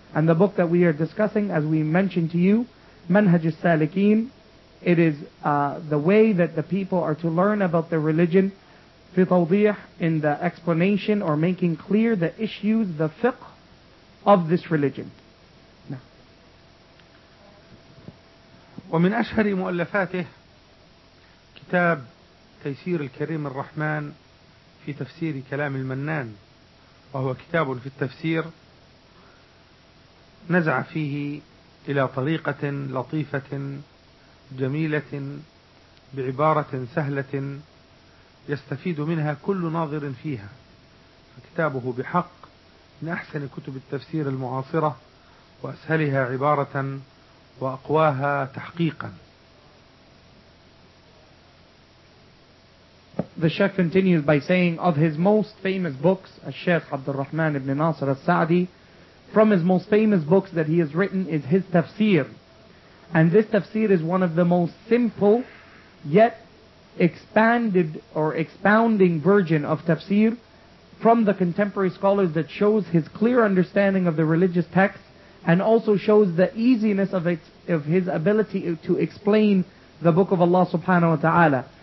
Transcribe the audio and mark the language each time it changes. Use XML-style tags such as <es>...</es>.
<en>And the book that we are discussing, as we mentioned to you, Manhaj al-Salikin, it is the way that the people are to learn about their religion, fi tawdih, in the explanation or making clear the issues, the fiqh of this religion.</en> <ar>ومن أشهر مؤلفاته كتاب تيسير الكريم الرحمن في تفسير كلام المنان، وهو كتاب في التفسير نزع فيه إلى طريقة لطيفة جميلة بعبارة سهلة يستفيد منها كل ناظر فيها، فكتابه بحق من أحسن كتب التفسير المعاصرة وأسهلها عبارة وأقواها تحقيقا.</ar> <en>The Sheikh continues by saying, of his most famous books, Sheikh Abdul Rahman ibn Nasir al-Sa'di, from his most famous books that he has written is his tafsir. And this tafsir is one of the most simple yet expanded or expounding version of tafsir from the contemporary scholars that shows his clear understanding of the religious text and also shows the easiness of its, of his ability to explain the book of Allah subhanahu wa ta'ala.</en>